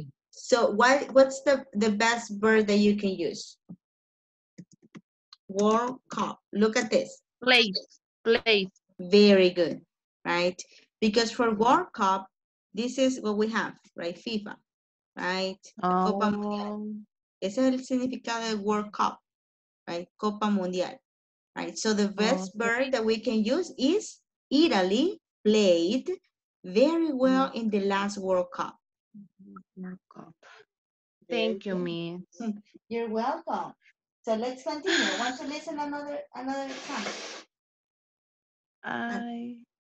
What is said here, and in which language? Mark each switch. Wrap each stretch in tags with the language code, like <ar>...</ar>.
<en>So, what's the best verb that you can use? World Cup. Look at this. Play. Very good. Right? Because for World Cup, this is what we have, right? FIFA, right?</en> <es>Copa Mundial. Ese es el significado de World Cup,</es> <en>right?</en> <es>Copa Mundial,</es> <en>right? So the best verb that we can use is Italy played very well in the last World Cup. Thank you, Miss. You're welcome. So let's continue. Want to listen another time?</en>